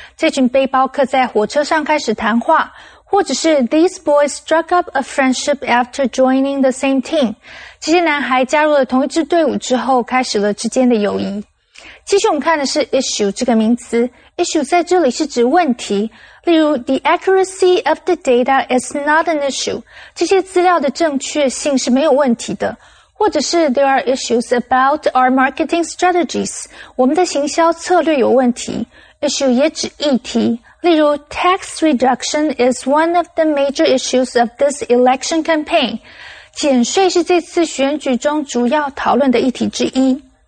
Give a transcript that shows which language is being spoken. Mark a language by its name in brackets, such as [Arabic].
[Chinese] 这群背包客在火车上开始谈话。或者是 [English] These boys struck up a friendship after joining the same team. [Chinese] 这些男孩加入了同一支队伍之后开始了之间的友谊。其实我们看的是 issue 这个名词。Issue 在这里是指问题。例如 [English] The accuracy of the data is not an issue. [Chinese] 这些资料的正确性是没有问题的。或者是 [English] There are issues about our marketing strategies. [Chinese] 我们的行销策略有问题。 Issue 也指议题。例如 [English] Tax reduction is one of the major issues of this election campaign. [Chinese] 减税是这次选举中主要讨论的议题之一。